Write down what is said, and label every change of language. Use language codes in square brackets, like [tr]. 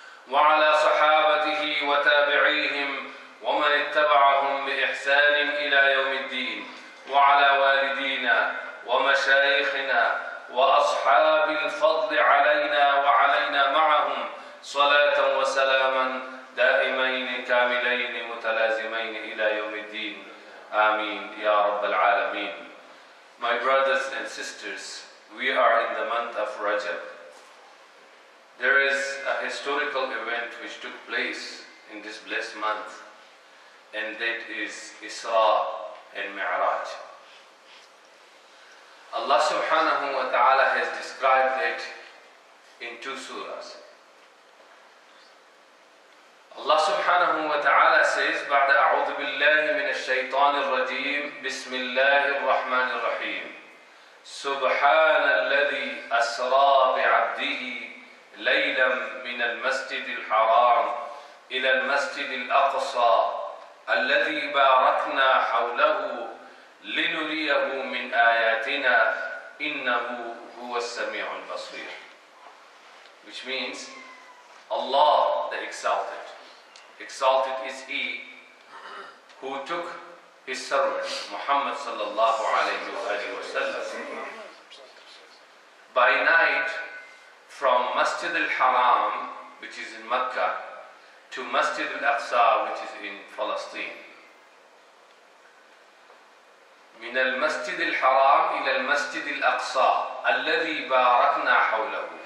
[ar] وعلى صحابته وتابعيهم ومن اتبعهم بإحسان إلى يوم الدين وعلى والدينا ومشايخنا وأصحاب الفضل علينا وعلينا معهم صلاة وسلاما دائمين كاملين متلازمين إلى يوم الدين آمين يا رب العالمين. [en] My brothers and sisters, we are in the month of Rajab. There is a historical event which took place in this blessed month, and that is Isra and Mi'raj. Allah subhanahu wa ta'ala has described it in two surahs. Allah subhanahu wa ta'ala says, [ar] بعد أعوذ بالله من الشيطان الرجيم بسم الله الرحمن الرحيم سبحان الذي أسرى بعبده ليلا من المسجد الحرام إلى المسجد الأقصى الذي باركنا حوله لنريه من آياتنا إنه هو السميع البصير. [en] Which means Allah the Exalted. Exalted is He who took His servant Muhammad sallallahu alayhi wa sallam by night from Masjid al-Haram, which is in Mecca, to Masjid al-Aqsa, which is in Palestine. [ar] من المسجد الحرام إلى المسجد الأقصى الذي باركنا حوله.